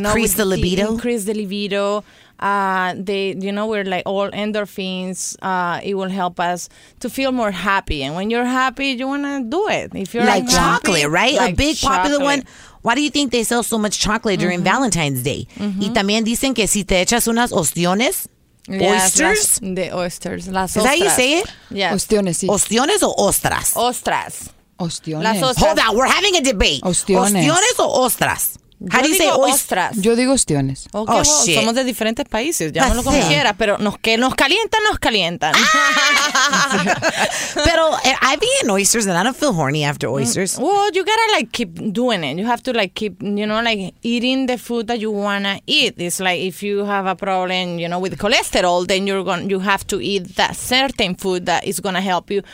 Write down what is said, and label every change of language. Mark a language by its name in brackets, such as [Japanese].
[English] know, increase the libido. Increase the libido. They, you know, we're like all endorphins. It will help us to feel more happy. And when you're happy, you want to do it. If you're like chocolate, right? Like a big chocolate. Popular one. Why do you think they sell so much chocolate during mm-hmm. Valentine's Day? [Spanish] Mm-hmm. Y también dicen que si te echas unas ostiones, [English] yes, oysters. The oysters. [Spanish] Las ostras. [English] That how you say it? Yes. [Spanish] Ostiones, sí. Ostiones o ostras? Ostras. Ostiones. Las ostras. [English] Hold on, we're having a debate. [Spanish] Ostiones. Ostiones o ostras? [English] How do you say ostras? [Spanish] Yo digo ostiones. [English] Okay, oh, well, shit. [Spanish] Somos de diferentes países. Llámalo como quieras, pero nos calientan, nos calientan. [English] Pero I've eaten oysters and I don't feel horny after oysters. Well, you gotta like keep doing it. You have to like keep, you know, like eating the food that you wanna eat. It's like if you have a problem, you know, with cholesterol, then you have to eat that certain food that is gonna help you.